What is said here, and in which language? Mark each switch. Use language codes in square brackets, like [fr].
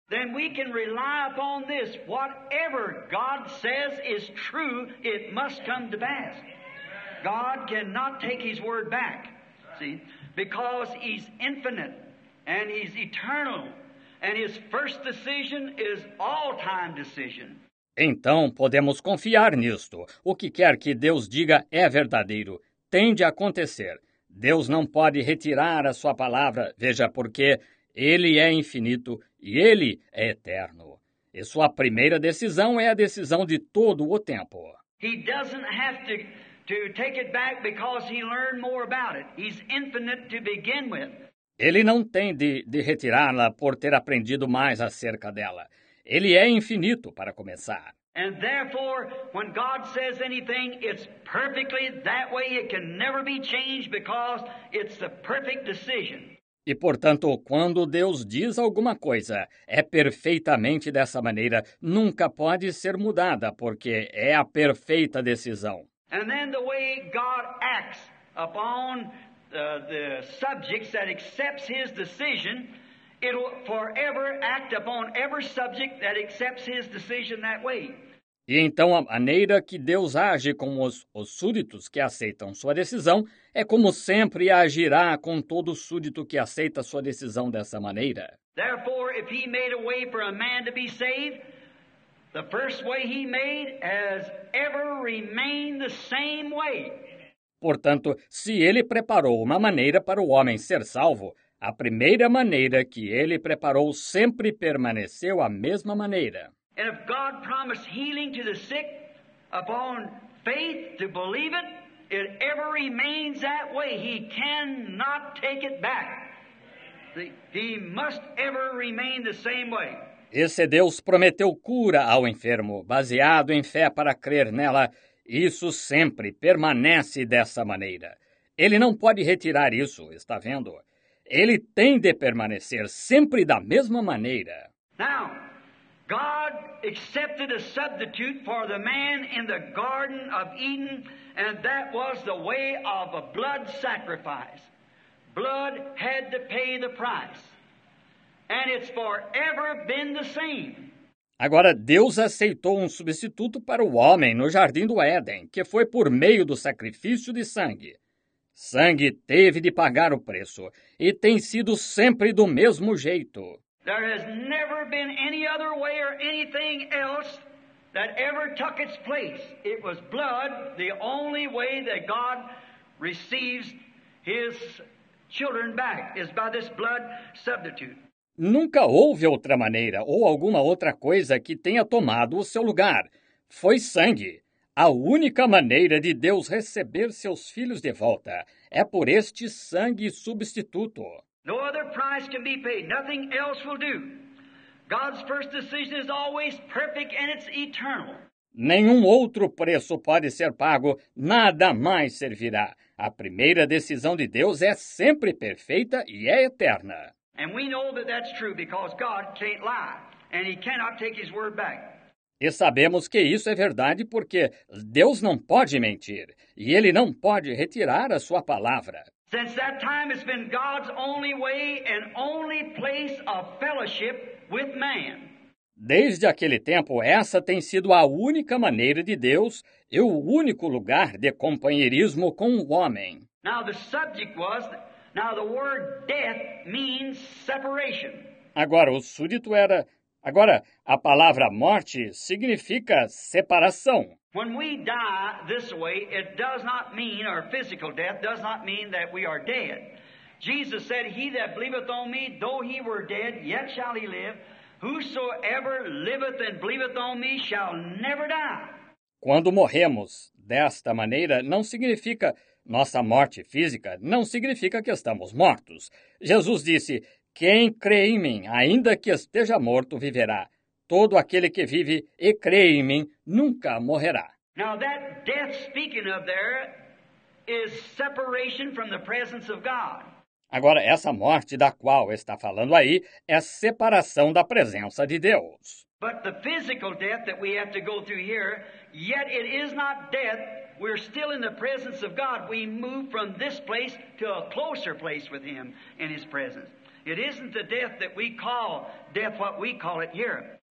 [en] Then we can rely upon this. Whatever God says is true, it must come to pass. God cannot take his word back, see, because he's infinite and he's eternal, and his first decision is all-time decision. [pt] Então podemos confiar nisto. O que quer que Deus diga é verdadeiro. Tem de acontecer. Deus não pode retirar a sua palavra, veja, porque ele é infinito e ele é eterno. E sua primeira decisão é a decisão de todo o tempo. [en] He doesn't have to take it back because he learned more about it. He's infinite to begin with. [pt] Ele não tem de retirá-la por ter aprendido mais acerca dela. Ele é infinito para começar. [en] And therefore, when God says anything, it's perfectly that way. It can never be changed because it's the perfect decision. [pt] E portanto, quando Deus diz alguma coisa, é perfeitamente dessa maneira. Nunca pode ser mudada porque é a perfeita decisão. [en] And then the way God acts upon the subjects that accepts his decision, it'll forever act upon every subject that accepts his decision that way. [pt] E então a maneira que Deus age com os súditos que aceitam sua decisão é como sempre agirá com todo súdito que aceita sua decisão dessa maneira. [en] Therefore, if he made a way for a man to be saved, the first way he made has ever remained the same way. [pt] Portanto, se ele preparou uma maneira para o homem ser salvo, a primeira maneira que ele preparou sempre permaneceu a mesma maneira. [en] And if God promised healing to the sick upon faith to believe it, it ever remains that way. He cannot take it back. He must ever remain the same way. [pt] E se Deus prometeu cura ao enfermo, baseado em fé para crer nela, isso sempre permanece dessa maneira. Ele não pode retirar isso, está vendo? Ele tem de permanecer sempre da mesma maneira. [en] Now, God accepted a substitute for the man in the Garden of Eden, and that was the way of a blood sacrifice. Blood had to pay the price. And it's forever been the same. [pt] Agora, Deus aceitou um substituto para o homem no Jardim do Éden, que foi por meio do sacrifício de sangue. Sangue teve de pagar o preço, e tem sido sempre do mesmo jeito. [en] There has never been any other way or anything else that ever took its place. It was blood, the only way that God receives his children back, is by this blood substitute. [pt] Nunca houve outra maneira ou alguma outra coisa que tenha tomado o seu lugar. Foi sangue. A única maneira de Deus receber seus filhos de volta é por este sangue substituto. [en] No other price can be paid. Nothing else will do. God's first decision is always perfect and it's eternal. [pt] Nenhum outro preço pode ser pago, nada mais servirá. A primeira decisão de Deus é sempre perfeita e é eterna. [en] And we know that that's true because God can't lie and he cannot take his word back. [pt] E sabemos que isso é verdade porque Deus não pode mentir e ele não pode retirar a sua palavra. [en] Since that time has been God's only way and only place of fellowship with man. [pt] Desde aquele tempo, essa tem sido a única maneira de Deus e o único lugar de companheirismo com o homem. [en] Now the subject was, now the word death means separation. [pt] Agora, o súdito era... Agora, a palavra morte significa separação. [en] When we die this way, it does not mean, our physical death does not mean that we are dead. Jesus said, he that believeth on me, though he were dead, yet shall he live. Whosoever liveth and believeth on me shall never die. [pt] Quando morremos desta maneira, não significa nossa morte física, não significa que estamos mortos. Jesus disse, quem crê em mim, ainda que esteja morto, viverá. Todo aquele que vive e crê em mim nunca morrerá. [en] Now that death speaking of there is separation from the presence of God. [pt] Agora, essa morte da qual está falando aí é separação da presença de Deus. [en] But the physical death that we have to go through here, yet it is not death. We're still in the presence of God. We move from this place to a closer place with him in his presence. It isn't the death that we call death what we call it here.